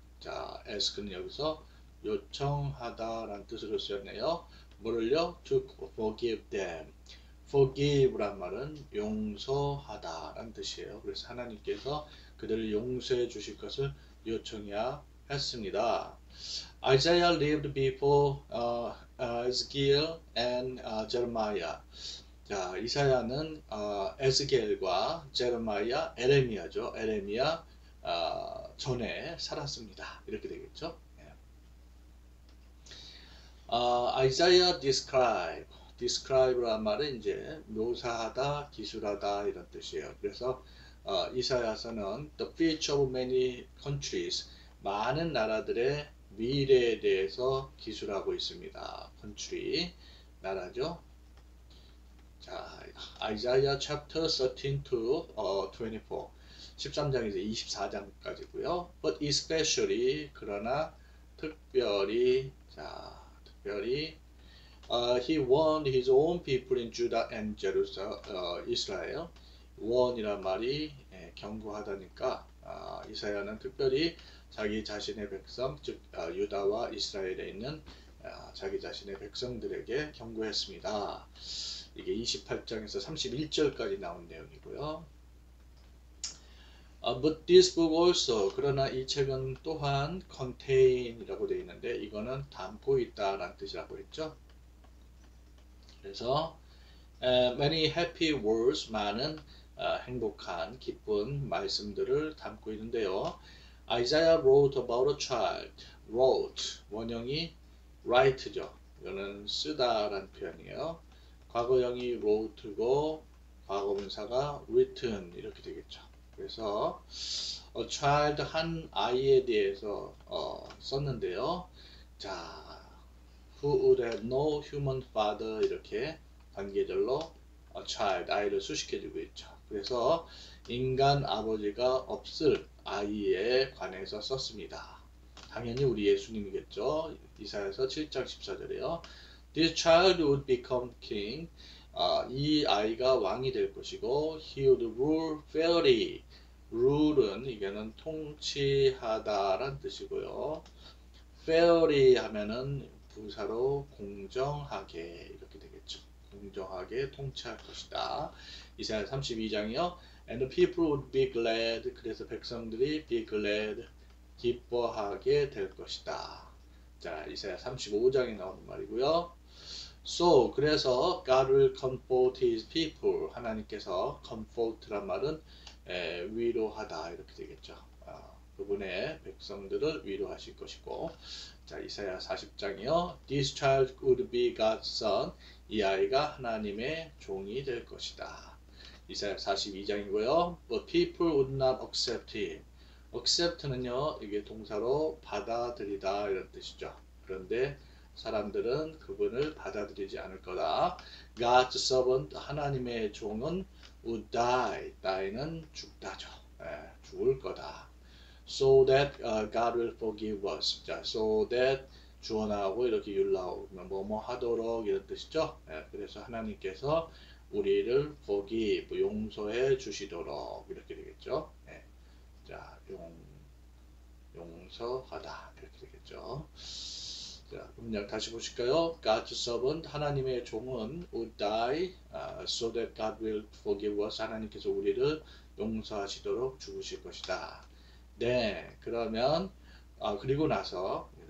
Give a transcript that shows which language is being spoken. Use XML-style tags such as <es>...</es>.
<ko>자, ask는 여기서 요청하다라는 뜻으로 쓰였네요. 뭐를요?</ko> <en>To forgive them.</en> <ko>Forgive란 말은 용서하다라는 뜻이에요. 그래서 하나님께서 그들을 용서해 주실 것을 요청해야 했습니다.</ko> <en>Isaiah lived before Ezekiel and Jeremiah.</en> <ko>자, 이사야는 에스겔과 제르마야, 에레미야죠. 에레미야 전에 살았습니다. 이렇게 되겠죠? 예.</ko> <en>Isaiah describe.</en> <ko>Describe란 말은 이제 묘사하다, 기술하다 이런 뜻이에요. 그래서 이사야서는</ko> <en>the future of many countries,</en> <ko>많은 나라들의 미래에 대해서 기술하고 있습니다. Country, 나라죠. 자,</ko> <en>Isaiah chapter 13 to 24.</en> <ko>13장에서 24장까지고요.</ko> <en>But especially,</en> <ko>그러나 특별히, 자, 특별히</ko> <en>he warned his own people in Judah and Jerusalem, Israel.</en> <ko>warn이란 말이 경고하다니까 이사야는 특별히 자기 자신의 백성, 즉 유다와 이스라엘에 있는 자기 자신의 백성들에게 경고했습니다. 이게 28장에서 31절까지 나온 내용이고요.</ko> <en>But this book also,</en> <ko>그러나 이 책은 또한 contain이라고 되어 있는데 이거는 담고 있다라는 뜻이라고 했죠. 그래서</ko> <en>many happy words,</en> <ko>많은 행복한, 기쁜 말씀들을 담고 있는데요.</ko> <en>Isaiah wrote about a child.</en> <ko>Wrote, 원형이 write죠. 이거는 쓰다라는 표현이에요. 과거형이 wrote고 과거분사가 written 이렇게 되겠죠. 그래서 a child, 한 아이에 대해서 썼는데요. 자,</ko> <en>who would have no human father</en> <ko>이렇게 단계절로 a child, 아이를 수식해주고 있죠. 그래서 인간 아버지가 없을 아이에 관해서 썼습니다. 당연히 우리 예수님이겠죠. 이사야서 7장 14절이에요.</ko> <en>This child would become king.</en> <ko>이 아이가 왕이 될 것이고,</ko> <en>he would rule fairly.</en> <ko>rule은 이게는 통치하다란 뜻이고요. fairly 하면은 부사로 공정하게 이렇게 되겠죠. 공정하게 통치할 것이다. 이사야 32장이요.</ko> <en>And the people would be glad.</en> <ko>그래서 백성들이</ko> <en>be glad.</en> <ko>기뻐하게 될 것이다. 자, 이사야 35장에 나오는 말이고요.</ko> <en>So,</en> <ko>그래서</ko> <en>God will comfort his people.</en> <ko>하나님께서 comfort란 말은 위로하다 이렇게 되겠죠. 그분의 백성들을 위로하실 것이고, 자, 이사야 40장이요.</ko> <en>This child would be God's son.</en> <ko>이 아이가 하나님의 종이 될 것이다. 이사야 42장이고요.</ko> <en>But people would not accept him.</en> <ko>accept는요, 이게 동사로 받아들이다 이런 뜻이죠. 그런데 사람들은 그분을 받아들이지 않을 거다.</ko> <en>God's servant,</en> <ko>하나님의 종은</ko> <en>would die.</en> <ko>die는 죽다죠. 죽을 거다.</ko> <en>So that God will forgive us.</en> <ko>자, so that 주원하고 이렇게 율라오 뭐뭐 하도록 이런 뜻이죠. 그래서 하나님께서 우리를 forgive 용서해 주시도록 이렇게 되겠죠. 자, 용서하다 이렇게 되겠죠. 자, 문장 다시 보실까요?</ko> <en>God's servant</en> <ko>하나님의 종은</ko> <en>would die so that God will forgive us</en> <ko>하나님께서 우리를 용서하시도록 죽으실 것이다. 네, 그러면 그리고 나서죠.</ko>